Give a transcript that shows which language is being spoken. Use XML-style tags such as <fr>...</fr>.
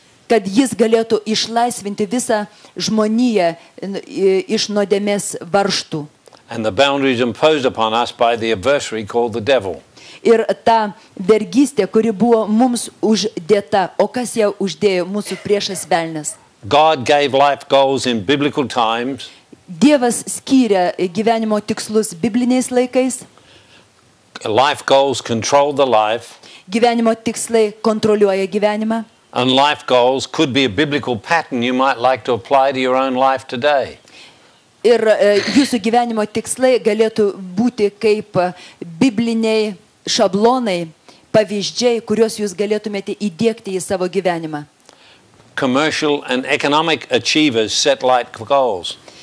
<lt>Kad jis galėtų išlaisvinti visą žmoniją iš nuodėmės varžtų.</lt> <en>And the boundaries imposed upon us by the adversary called the devil.</en> <lt>Ir ta vergystė, kuri buvo mums uždėta, o kas ją uždėjo, mūsų priešas velnis.</lt> <en>God gave life goals in biblical times.</en> <lt>Dievas skyrė gyvenimo tikslus bibliniais laikais.</lt> <en>Life goals control the life.</en> <lt>Gyvenimo tikslai kontroliuoja gyvenimą.</lt> <en>And life goals could be a biblical pattern you might like to apply to your own life today.</en> <lt>Ir jūsų gyvenimo tikslai galėtų būti kaip bibliniai šablonai, pavyzdžiai, kuriuos jūs galėtumėte įdiegti į savo gyvenimą.</lt> <en>Commercial and economic achievers set life goals.</en>